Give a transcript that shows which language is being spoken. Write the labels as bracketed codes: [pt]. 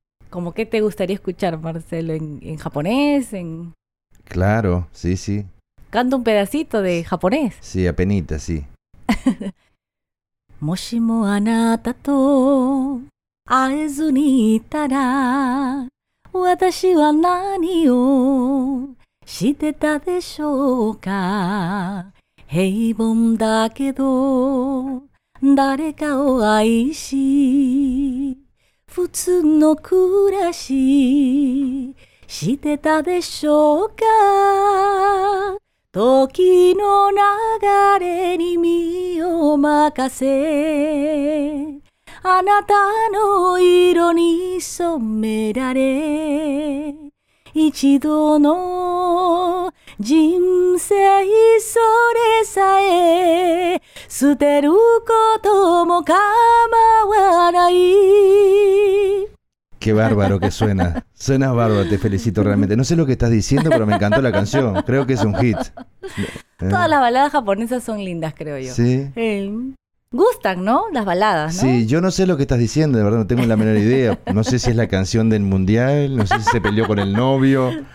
[es] ¿Cómo qué te gustaría escuchar, Marcelo? ¿En japonés? Claro, sí. ¿Canto un pedacito de japonés? Sí, apenitas, sí. [ja] もしもあなたと会えずにいたら私は何をしてたでしょうか平凡だけど誰かを愛し普通の暮らししてたでしょうか時の流れに身を任せ、あなたの色に染められ、一度の人生それさえ捨てることも構わない。 [es] Qué bárbaro que suena. Suena bárbaro, te felicito realmente. No sé lo que estás diciendo, pero me encantó la canción. Creo que es un hit. Todas las baladas japonesas son lindas, creo yo. Sí. Gustan, ¿no? Las baladas, ¿no? Sí, yo no sé lo que estás diciendo, de verdad, no tengo la menor idea. No sé si es la canción del mundial, no sé si se peleó con el novio.